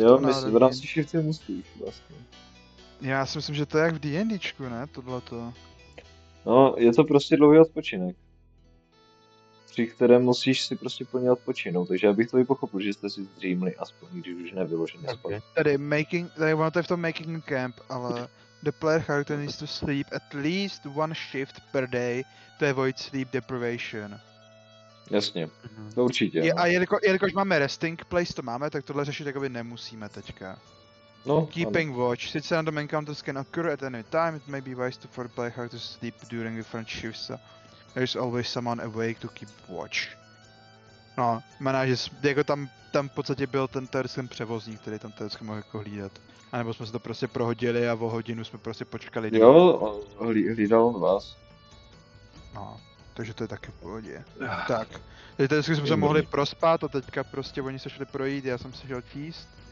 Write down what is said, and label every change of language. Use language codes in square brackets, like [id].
[cs] jo, tom náhledu. Jo, v rámci šifty musíš vlastně. Já si myslím, že to je jak v D&Dčku, ne? To bylo to. No, je to prostě dlouhý odpočinek. Při kterém musíš si prostě po něj odpočinout, takže já bych to i pochopil, že jste si zdřímli aspoň, když už nevyložený spadl. Tady ono to je v tom [en] making camp, ale the player character needs to sleep at least one shift per day to avoid sleep deprivation. [cs] Jasně, to určitě. Je, no. A jelikož máme resting place, to máme, tak tohle řešit jakoby nemusíme teďka. No, keeping ano. [en] Watch, since random encounters can occur at any time, it may be wise to for the player character to sleep during different shifts. So. There's always someone awake to keep watch. [cs] No, znamená, že jako tam v podstatě byl ten teoretický převozník, který tam teoretický mohl jako hlídat. A nebo jsme se to prostě prohodili a o hodinu jsme prostě počkali. Jo, hlídal on vás. No, takže to je taky v pohodě. Tak, takže teoretický jsme se mohli prospat a teďka prostě oni se šli projít, já jsem se šel číst.